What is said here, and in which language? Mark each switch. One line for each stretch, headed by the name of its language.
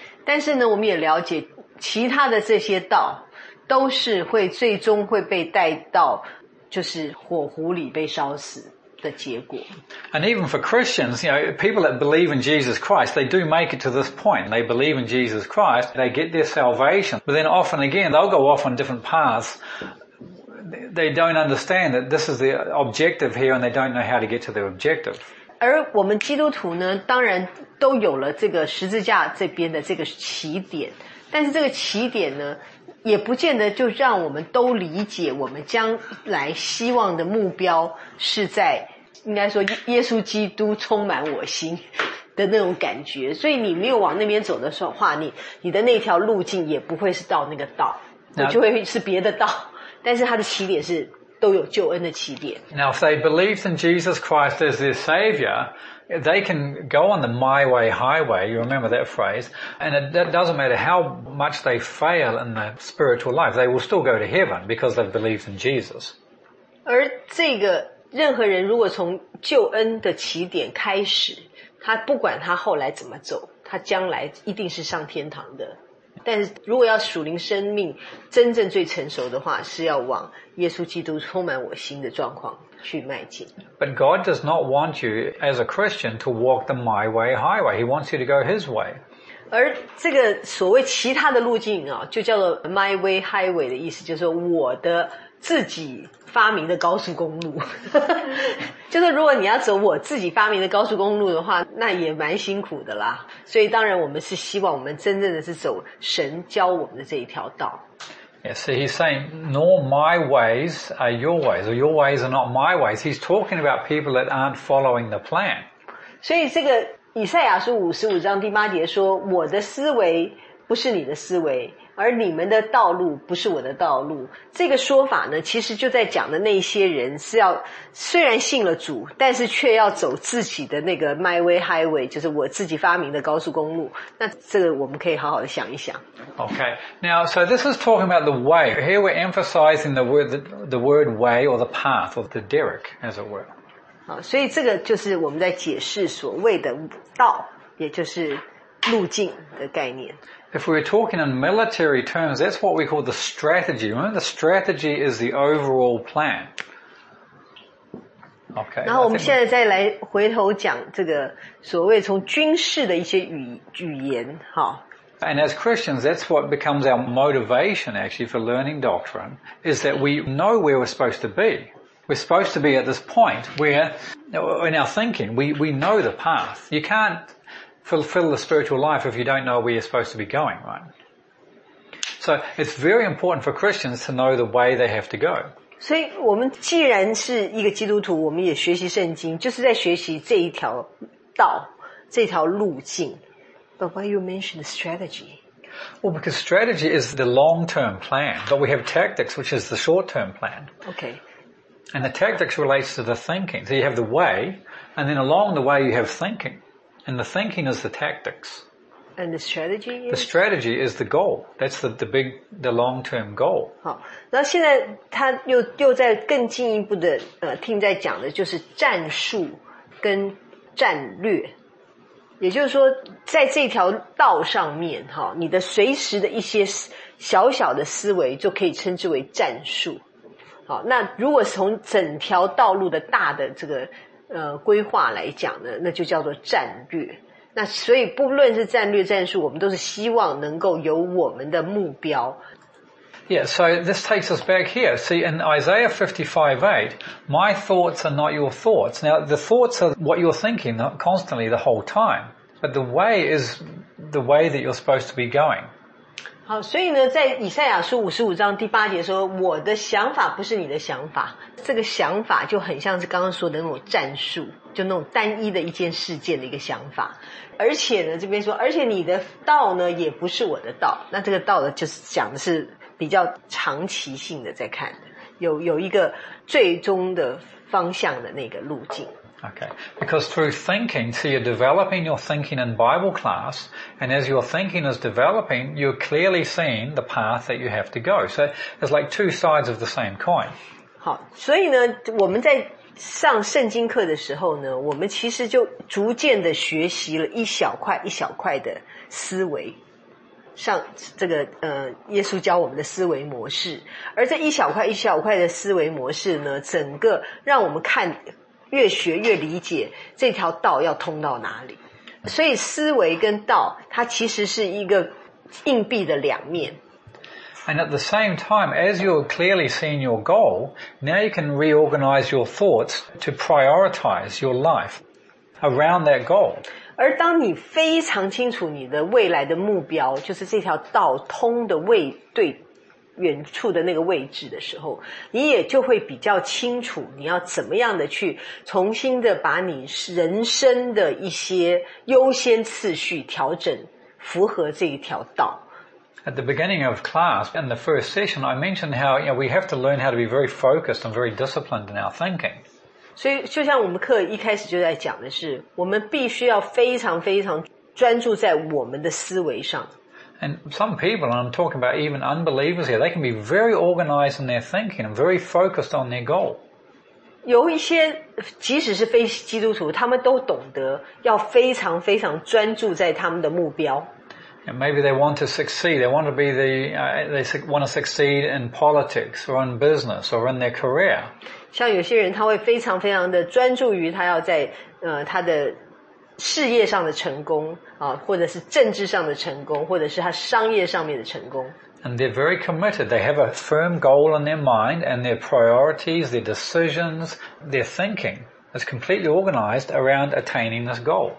Chinese: 但是呢，我们也了解，其他的这些道都是会最终会被带到就是火湖里被烧死的结果。
English: And even for Christians, you know, people that believe in Jesus Christ, they do make it to this point. They believe in Jesus Christ, they get their salvation. But then often again, they'll go off on different paths. They don't understand that this is the objective here, and they don't know how to get to their objective.
Chinese: 而我们基督徒呢，当然都有了这个十字架这边的这个起点，但是这个起点呢，也不见得就让我们都理解我们将来希望的目标是在，应该说耶稣基督充满我心的那种感觉。所以你没有往那边走的时候话，你的那条路径也不会是到那个道，那就会是别的道，但是它的起点是都有救恩的起点。
English: Now, if they believe in Jesus Christ as their Savior, they can go on the my way highway, you remember that phrase, and it doesn't matter how much they fail in their spiritual life, they will still go to heaven because they've believed in Jesus.
Chinese: 而这个任何人如果从救恩的起点开始，他不管他后来怎么走，他将来一定是上天堂的。但是如果要属灵生命真正最成熟的话，是要往耶稣基督充满我心的状况去迈进。
English: But God does not want you as a Christian to walk the my way highway. He wants you to go His way.
Chinese: 而这个所谓其他的路径啊，就叫做
English: my way highway
Chinese: 的意思，就是说我的自己发明的高速公路。就是如果你要走我自己发明的高速公路的话，那也蛮辛苦的啦。所以当然我们是希望我们真正的是走神教我们的这一条道。
English: Yeah, so he's saying, nor my ways are your ways, or your ways are not my ways. He's talking about people that aren't following the plan.
Chinese: 所以这个以赛亚书55章第8节说，我的思维不是你的思维，而你们的道路不是我的道路。这个说法呢，其实就在讲的那些人是要虽然信了主，但是却要走自己的那个
English: my way highway，
Chinese: 就是我自己发明的高速公路。那这个我们可以好好的想一想。
English: Okay, now so this is talking about the way. Here we're emphasizing the word way or the path or the derrick as it were.
Chinese: 好，所以这个就是我们在解释所谓的道，也就是路径的概念。
English: If we're talking in military terms, that's what we call the strategy. Remember, the strategy is the overall plan. Okay.
Chinese: 然后我们现在再来回头讲这个所谓从军事的一些语言，哈。
English: And as Christians, that's what becomes our motivation actually for learning doctrine, is that we know where we're supposed to be. We're supposed to be at this point where, in our thinking, we know the path. You can't fulfill the spiritual life if you don't know where you're supposed to be going, right? So it's very important for Christians to know the way they have to go.
Chinese: 所以我们既然是一个基督徒，我们也学习圣经，就是在学习这一条道，这条路径。
English: But why you mention the strategy? Well, because strategy is the long-term plan, but we have tactics, which is the short-term plan. Okay. And the tactics relates to the thinking. So you have the way, and then along the way you have thinking. And the thinking is the tactics. And the strategy is? The strategy is the goal. That's the long-term goal.
Chinese: 好，那现在他又在更进一步的听在讲的就是战术跟战略。也就是说在这条道上面，你的随时的一些小小的思维就可以称之为战术。好，那如果从整条道路的大的这个规划来讲呢，那就叫做战略。那所以不论是战略战术，我们都是希望能够有我们的目标。
English: Yeah, so this takes us back here. See, in Isaiah 55:8, my thoughts are not your thoughts. Now, the thoughts are what you're thinking constantly the whole time. But the way is the way that you're supposed to be going.
Chinese: 好，所以呢，在以赛亚书55章第8节说，我的想法不是你的想法。这个想法就很像是刚刚说的那种战术，就那种单一的一件事件的一个想法。而且呢，这边说，而且你的道呢，也不是我的道。那这个道呢，就是讲的是比较长期性的在看，有一个最终的方向的那个路径。
English: Okay, because through thinking, so you're developing your thinking in Bible class, and as your thinking is developing, you're clearly seeing the path that you have to go. So it's like two sides of the same coin.
Chinese: 好，所以呢，我们在上圣经课的时候呢，我们其实就逐渐的学习了一小块一小块的思维。上这个耶稣教我们的思维模式，而这一小块一小块的思维模式呢，整个让我们看越学越理解这条道要通到哪里。所以思维跟道它其实是一个硬币的两面。
English: And at the same time, as you're clearly seeing your goal, now you can reorganize your thoughts to prioritize your life around that goal.
Chinese: 而当你非常清楚你的未来的目标，就是这条道通的位对远处的那个位置的时候，你也就会比较清楚你要怎么样的去重新的把你人生的一些优先次序调整符合这一条道。
English: At the beginning of class, in the first session, I mentioned how, you know, we have to learn how to be very focused and very disciplined in our thinking.
Chinese: 所以就像我们课一开始就在讲的是，我们必须要非常非常专注在我们的思维上。
English: And some people, and I'm talking about even unbelievers here, they can be very organized in their thinking and very focused on their goal.
Chinese: 有一些即使是非基督徒，他们都懂得要非常非常专注在他们的目标。
English: And maybe they want to succeed. They want to be the, they want to succeed in politics or in business or in their career.
Chinese: 像有些人他会非常非常的专注于他要在他的事业上的成功啊，或者是政治上的成功，或者是他商业上面的成功。
English: And they're very committed. They have a firm goal in their mind, and their priorities, their decisions, their thinking. It's completely organized around attaining this goal.